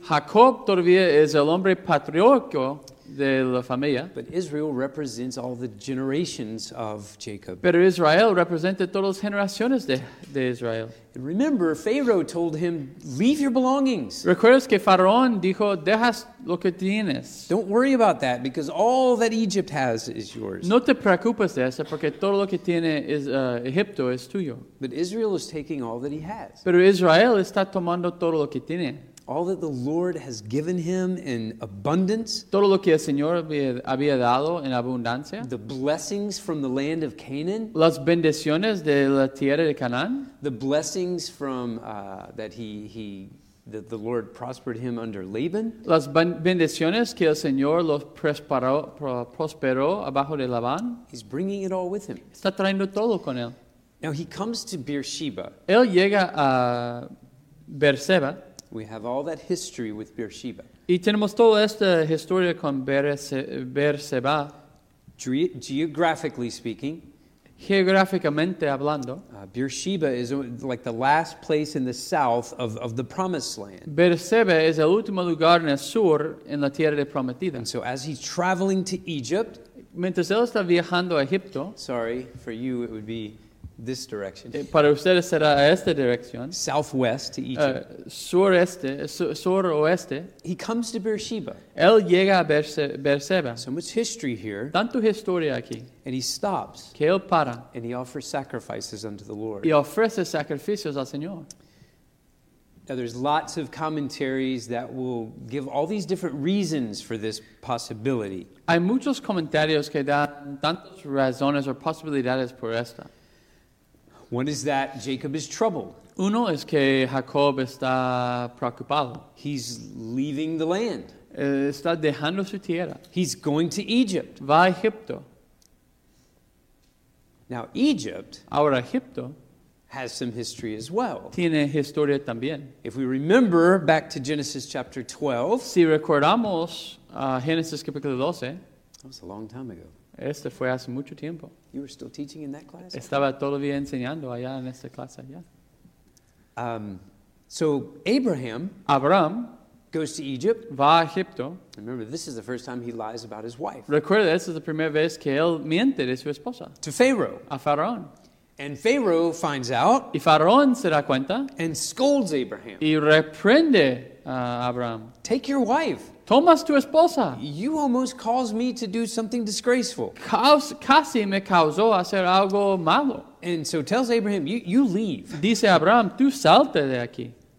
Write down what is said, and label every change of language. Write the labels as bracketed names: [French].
[Spanish] Jacob todavía es el hombre patriarcal. De la familia. [English] But Israel represents all the generations of Jacob. [Spanish] Pero Israel representa todas las generaciones de Israel. [English] And remember, Pharaoh told him, leave your belongings. [Spanish] ¿Recuerdas que Faraón dijo, dejas lo que tienes? [English] Don't worry about that, because all that Egypt has is yours. [Spanish] No te preocupes de eso, porque todo lo que tiene es, Egipto es tuyo. [English] But Israel is taking all that he has. [Spanish] Pero Israel está tomando todo lo que tiene. [English] All that the Lord has given him in abundance. [Spanish] Todo lo que el Señor había dado en abundancia. [English] The blessings from the land of Canaan. [Spanish] Las bendiciones de la tierra de Canaan. [English] The blessings from that he that the Lord prospered him under Laban. [Spanish] Las bendiciones que el Señor los prosperó abajo de Labán. [English] He's bringing it all with him. [Spanish] Está trayendo todo con él. [English] Now he comes to Beersheba. [Spanish] Él llega a Beersheba. [English] We have all that history with Beersheba. [Spanish] Y tenemos toda esta historia con Beersheba. [English] Geographically speaking. [Spanish] Geográficamente hablando. [English] Beersheba is like the last place in the south of the promised land. [Spanish] Beersheba es el último lugar en el sur en la tierra prometida. [English] And so as he's traveling to Egypt. [Spanish] Mientras él está viajando a Egipto. [English] Sorry, for you it would be this direction. [Spanish] Para ustedes será a esta dirección. [English] Southwest to Egypt. [Spanish] Sureste. [English] He comes to Beersheba. [Spanish] Él llega a Beersheba. [English] So much history here. [Spanish] Tanto historia aquí. [English] And he stops. [Spanish] Que él para. [English] And he offers sacrifices unto the Lord. [Spanish] Y ofrece sacrificios al Señor. [English] Now, there's lots of commentaries that will give all these different reasons for this possibility. [Spanish] Hay muchos comentarios que dan tantas razones o posibilidades por esta. [English] One is that Jacob is troubled. [Spanish] Uno es que Jacob está preocupado. [English] He's leaving the land. [Spanish] Está dejando su tierra. [English] He's going to Egypt. [Spanish] Va a Egipto. [English] Now, Egypt. [Spanish] Ahora, Egipto. [English] Has some history as well. [Spanish] Tiene historia también. [English] If we remember back to Genesis chapter 12. [Spanish] Si recordamos Genesis capítulo 12. [English] That was a long time ago. [Spanish] Este fue hace mucho tiempo. [English] You were still teaching in that class? [Spanish] Estaba todavía enseñando allá en esta clase allá. [English] So Abraham. [Spanish] Abraham. [English] Goes to Egypt. [Spanish] Va a Egipto. [English] Remember, this is the first time he lies about his wife. [Spanish] Recuerda, esta es la primera vez que él miente de su esposa. [English] To Pharaoh. [Spanish] A Faraón. [English] And Pharaoh finds out. [Spanish] Y Faraón se da cuenta. [English] And scolds Abraham. [Spanish] Y reprende a Abraham. [English] Take your wife. [Spanish] Toma tu esposa. [English] You almost caused me to do something disgraceful. [Spanish] Casi me causó hacer algo malo. [English] And so tells Abraham, you leave. [Spanish] Dice Abraham, tú salte de aquí.